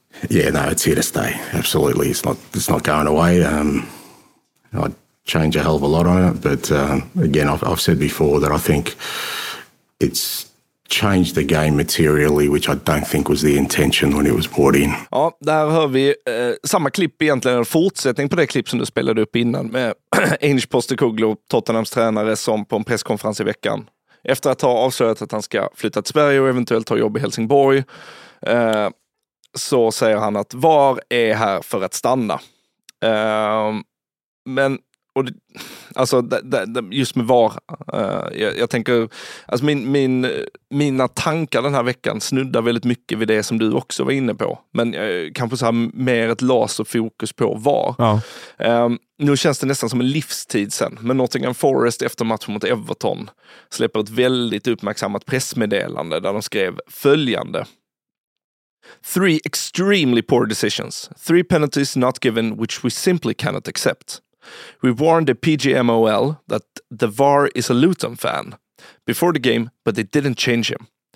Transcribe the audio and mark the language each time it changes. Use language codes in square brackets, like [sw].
[en] Yeah, no, it's here to stay. Absolutely. It's not going away. I'd change a hell of a lot on it. But again, I've said before that I think it's changed the game materially, which I don't think was the intention when it was brought in. [sv] Ja, där hör vi samma klipp egentligen, en fortsättning på det klipp som du spelade upp innan med Ange Postecoglou, Tottenhams tränare, som på en presskonferens i veckan efter att ha avslöjat att han ska flytta till Sverige och eventuellt ta jobb i Helsingborg, så säger han att VAR är här för att stanna. Men och det, alltså just med VAR, jag tänker, alltså mina tankar den här veckan snuddar väldigt mycket vid det som du också var inne på, men kanske så här mer ett laserfokus på VAR. Ja. Nu känns det nästan som en livstid sen, men Nottingham Forest efter matchen mot Everton släpper ett väldigt uppmärksammat pressmeddelande där de skrev följande: [en] Three extremely poor decisions, three penalties not given which we simply cannot accept. We warned the PGMOL that the VAR is a Luton fan before the game, but they didn't change him.